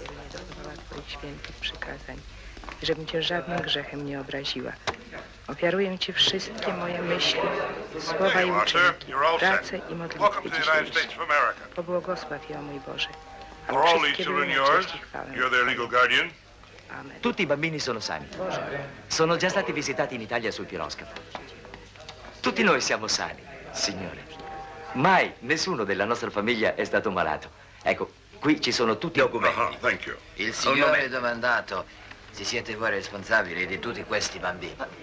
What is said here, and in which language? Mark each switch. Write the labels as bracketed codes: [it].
[pl] Zameldowała Twoich świętych przykazań, żebym Cię żadnym grzechem nie obraziła. Ofiaruję Ci wszystkie moje myśli, słowa i uczynki, pracę i modlitwy dzisiejsze. Pobłogosław ją, mój Boże. [en] A for all these children yours, you're their legal guardian. [pl] Amen. [it] Tutti i bambini sono sani. Sono già stati visitati in Italia sul piroscafo. Tutti noi siamo sani, signore. Mai nessuno della nostra famiglia è stato malato. Ecco, qui ci sono tutti i documenti. [en] Thank you. [it] Il signore ha domandato Se siete voi responsabili di tutti questi bambini.